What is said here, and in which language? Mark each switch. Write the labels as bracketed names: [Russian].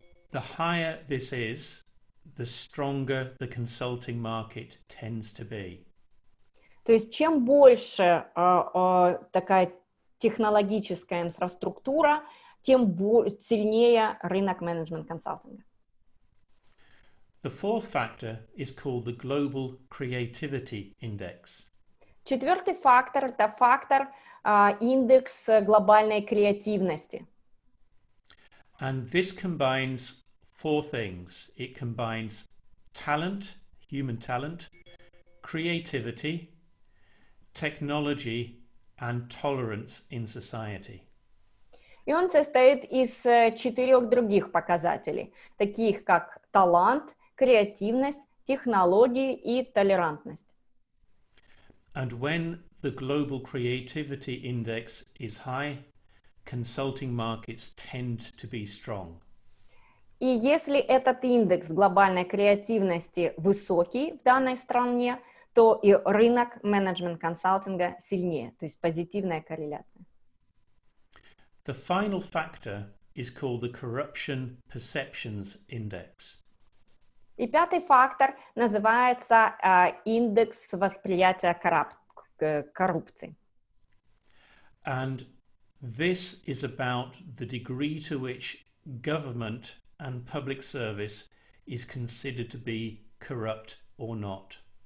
[English] The higher this is, the stronger the consulting market tends to be. [Russian] То есть, чем больше такая технологическая инфраструктура, тем сильнее рынок менеджмент-консалтинга. [English] The fourth factor is called the Global Creativity Index. [Russian] Четвертый фактор – это фактор индекс глобальной креативности. [English] And this combines four things. It combines talent, human talent, creativity, technology, and tolerance in society. [Russian] И он состоит из четырех других показателей, таких как талант, креативность, технологии и толерантность. [English] And when the global creativity index is high, consulting markets tend to be strong. [Russian] И если этот индекс глобальной креативности высокий в данной стране, то и рынок менеджмент консалтинга сильнее, то есть позитивная корреляция. [English] The final factor is called the corruption perceptions index. [Russian] И пятый фактор называется индекс восприятия коррупции. [English] And this is about the degree to which government and public service is considered to be corrupt or not.